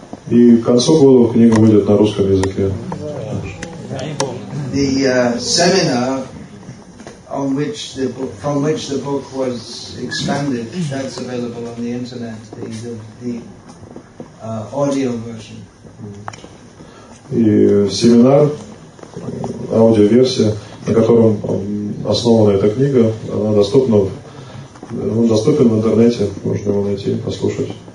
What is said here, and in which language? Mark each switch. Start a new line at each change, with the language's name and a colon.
Russian: И к концу года книга выйдет на русском языке.
English: The seminar on which the book, from which the book was expanded, that's available on the internet, the audio version.
Russian: И семинар, аудиоверсия, на котором основана эта книга, она доступна. Он доступен в интернете, можно его найти, послушать.